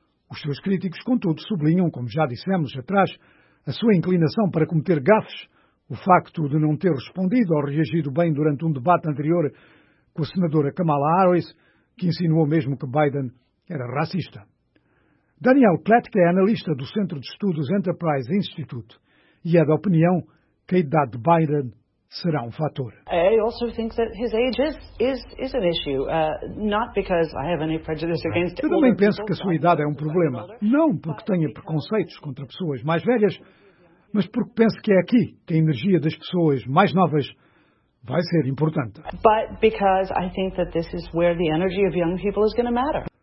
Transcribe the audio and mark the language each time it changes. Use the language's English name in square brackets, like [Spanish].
[Portuguese] Os seus críticos, contudo, sublinham, como já dissemos atrás, a sua inclinação para cometer gafes, o facto de não ter respondido ou reagido bem durante um debate anterior com a senadora Kamala Harris, que insinuou mesmo que Biden era racista. Daniel Kletke é analista do Centro de Estudos Enterprise Institute e é da opinião que a idade de Biden será um fator. [English] I also think that his age is an issue, not because I have any prejudice against. [Portuguese] Eu também penso que a sua idade é um problema, não porque tenha preconceitos contra pessoas mais velhas, mas porque penso que é aqui que a energia das pessoas mais novas vai ser importante. [English] But because I think that this is where the energy of young people is going to matter.